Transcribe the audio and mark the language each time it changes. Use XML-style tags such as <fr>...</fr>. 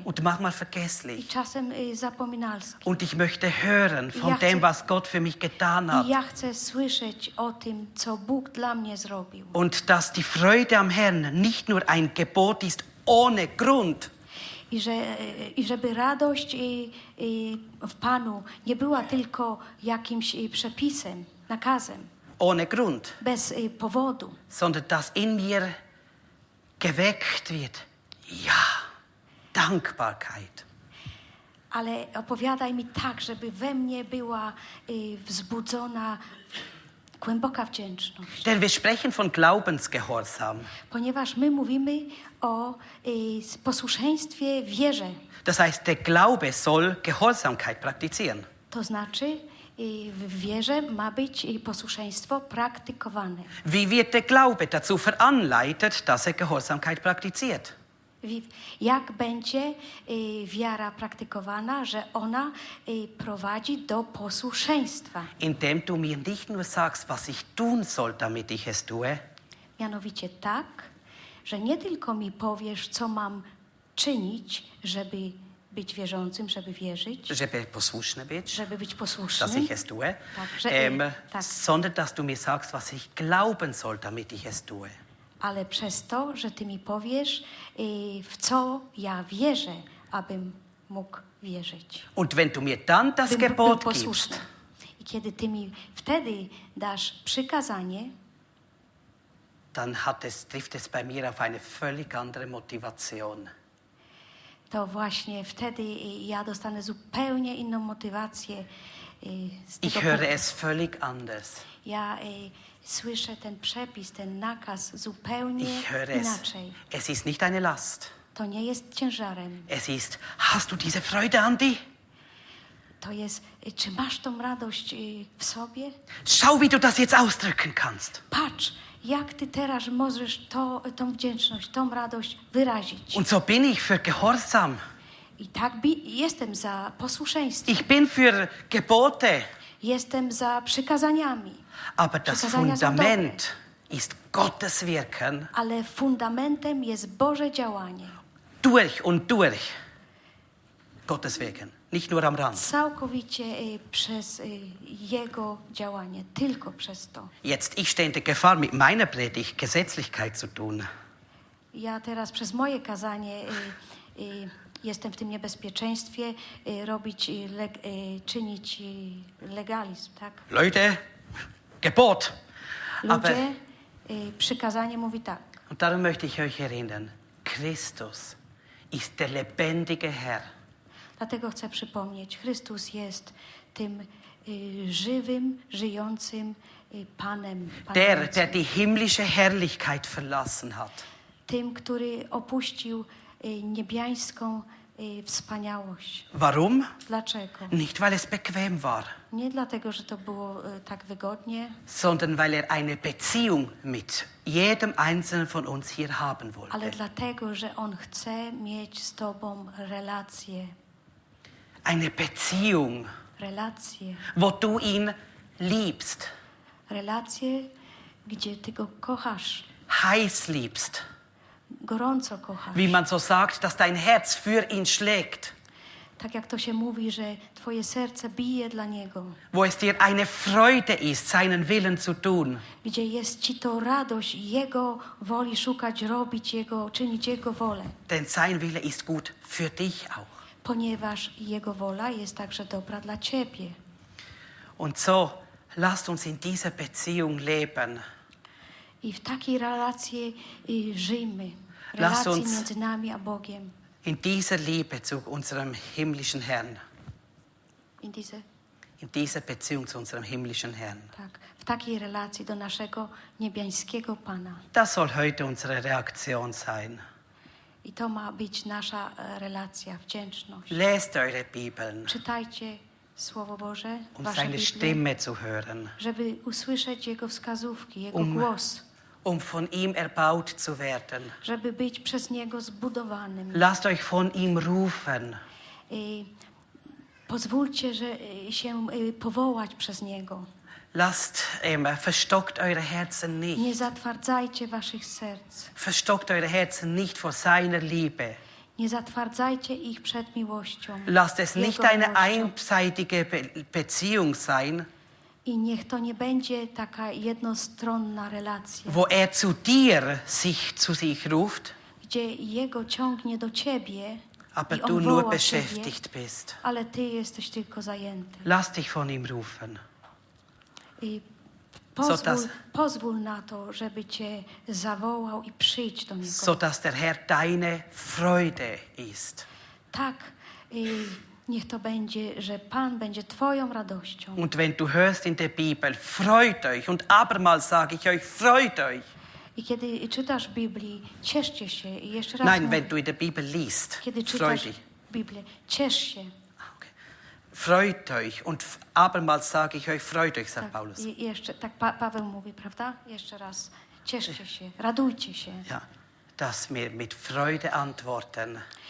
<de>Und manchmal vergesslich.</de> <pl>I czasem zapominalski.</pl> <de>Und ich möchte hören von dem, was Gott für mich getan hat.</de> <pl>I ja chcę słyszeć o tym, co Bóg dla mnie zrobił.</pl> <de>Und dass die Freude am Herrn nicht nur ein Gebot ist ohne Grund.</de> <pl>I żeby radość w Panu nie była tylko jakimś przepisem, nakazem.</pl> <de>Ohne Grund.</de> <pl>Bez powodu.</pl> <de>Sondern dass in mir geweckt wird. Ja, Dankbarkeit.</de> <pl>Ale opowiadaj mi tak, żeby we mnie była wzbudzona głęboka wdzięczność.</pl> <de>Denn wir sprechen von Glaubensgehorsam.</de> <pl>Ponieważ my mówimy o posłuszeństwie wierze.</pl> <de>Das heißt, der Glaube soll Gehorsamkeit praktizieren.</de> <pl>To znaczy, w wierze ma być posłuszeństwo praktykowane.</pl> <de>Wie wird der Glaube dazu veranleitet, dass Gehorsamkeit praktiziert?</de> <pl>Jak będzie wiara praktykowana, że ona prowadzi do posłuszeństwa?</pl> <de>Indem du mir nicht nur sagst, was ich tun soll, damit ich es tue.</de> <pl>Mianowicie tak, że nie tylko mi powiesz, co mam czynić, żeby być wierzącym, żeby wierzyć, żeby posłuszny być, żeby być posłuszny,</pl> <de>dass ich es tue,</de> <pl>tak, że, tak.</pl> <de>Sondern dass du mir sagst, was ich glauben soll, damit ich es tue.</de> <pl>Ale przez to, że ty mi powiesz, w co ja wierzę, abym mógł wierzyć.</pl> <de>Und wenn du mir dann das Gebot gibst.</de> <pl>I kiedy ty mi wtedy dasz przykazanie,</pl> <de>dann hat es, trifft es bei mir auf eine völlig andere Motivation.</de> <pl>To właśnie wtedy ja dostanę zupełnie inną motywację.</pl> <de>Ich höre es völlig anders.</de> <pl>Ja słyszę ten przepis, ten nakaz zupełnie inaczej.</pl> <de>Es ist nicht eine Last.</de> <pl>To nie jest ciężarem.</pl> <de>Es ist, hast du diese Freude, Andi?</de> <pl>To jest, czy masz tą radość w sobie?</pl> <de>Schau, wie du das jetzt ausdrücken kannst.</de> <pl>Patrz. Jak ty teraz możesz tą wdzięczność, tą radość wyrazić?</pl> <de>Und so bin ich für gehorsam.</de> <pl>I tak jestem za posłuszeństwem.</pl> <de>Ich bin für Gebote.</de> <pl>Jestem za przykazaniami.</pl> <de>Aber das Fundament ist Gottes Wirken.</de> <pl>Ale fundamentem jest Boże działanie.</pl> <de>Durch und durch Gottes Wirken. Nicht nur am Rand.</de> <pl>Całkowicie przez jego działanie, tylko przez to.</pl> <de>Jetzt ich stehe in der Gefahr mit meiner Predigt Gesetzlichkeit zu tun.</de> <pl>Ja teraz przez moje kazanie jestem w tym niebezpieczeństwie robić czynić legalizm, tak?</pl> <de>Leute, Gebot.</de> <pl>Ludzie, przykazanie mówi tak.</pl> <de>Und darum möchte ich euch erinnern. Christus ist der lebendige Herr.</de> <pl>Dlatego chcę przypomnieć, Chrystus jest tym żywym, żyjącym Panem.</pl> <de>Der, der die himmlische Herrlichkeit verlassen hat.</de> <pl>Tym, który opuścił niebiańską wspaniałość.</pl> <de>Warum?</de> <pl>Dlaczego?</pl> <de>Nicht, weil es bequem war.</de> <pl>Nie dlatego, że to było tak wygodnie.</pl> <de>Sondern weil er eine Beziehung mit jedem einzelnen von uns hier haben wollte.</de> <pl>Ale dlatego, że on chce mieć z tobą relację.</pl> <de>Eine Beziehung.</de> <pl>Relację.</pl> <de>Wo du ihn liebst.</de> <pl>Relację, gdzie ty go kochasz.</pl> <de>Heiß liebst.</de> <pl>Gorąco kochasz.</pl> <de>Wie man so sagt, dass dein Herz für ihn schlägt.</de> <pl>Tak jak to się mówi, że twoje serce bije dla niego.</pl> <de>Wo es dir eine Freude ist, seinen Willen zu tun.</de> <pl>Gdzie jest ci to radość jego woli szukać, robić jego, czynić jego wolę.</pl> <de>Denn sein Wille ist gut für dich auch.</de> <pl>Ponieważ jego wola jest także dobra dla ciebie.</pl> <de>Und so lasst uns in dieser Beziehung leben.</de> <pl>I w takiej relacji żyjmy. Relacji między nami a Bogiem.</pl> <de>In dieser Liebe zu unserem himmlischen Herrn. In dieser Beziehung zu unserem himmlischen Herrn.</de> <pl>Tak, w takiej relacji do naszego niebiańskiego Pana.</pl> <de>Das soll heute unsere Reaktion sein.</de> <pl>I to ma być nasza relacja, wdzięczność.</pl> <de>Lest eure Bibeln.</de> <pl>Czytajcie Słowo Boże, wasze Biblię,</pl> <de>Stimme zu hören.</de> <pl>Żeby usłyszeć Jego wskazówki, Jego głos.</pl> <de>Von ihm erbaut zu werden.</de> <pl>Żeby być przez Niego zbudowanym.</pl> <de>Lasst euch von ihm rufen.</de> <pl>I pozwólcie, że się powołać przez Niego.</pl> <de>Lasst verstockt eure Herzen nicht.</de> <pl>Nie zatwardzajcie waszych serc.</pl> <de>Verstockt eure Herzen nicht vor seiner Liebe.</de> <pl>Nie zatwardzajcie ich przed miłością.</pl> <de>Lasst es nicht eine einseitige Beziehung sein.</de> <pl>I niech to nie będzie taka jednostronna relacja.</pl> <de>Wo er zu dir sich zu sich ruft.</de> <pl>Gdzie jego ciągnie do ciebie.</pl> <de>Aber du nur beschäftigt bist.</de> <pl>Ale ty jesteś tylko zajęty.</pl> <de>Lass dich von ihm rufen.</de> <pl>I pozwól na to, żeby cię zawołał i przyjdź do niego.</pl> <de>So dass der Herr deine Freude ist.</de> <pl>Tak, i niech to będzie, że Pan będzie twoją radością.</pl> <de>Und wenn du hörst in der Bibel, freut euch und abermals sage ich euch, freut euch.</de> <pl>I kiedy czytasz Biblii, cieszcie się i jeszcze raz.</pl> <de>Nein, wenn du in der Bibel liest,</de> <pl>kiedy czytasz Biblię, ciesz się.</pl> <de>Freut euch und abermals sage ich euch, freut euch, sagt Paulus.</de> <pl>Jeszcze, tak Paweł mówi, prawda? Jeszcze raz, cieszcie się, radujcie się.</pl> <de>Ja, dass wir mit Freude antworten.</de>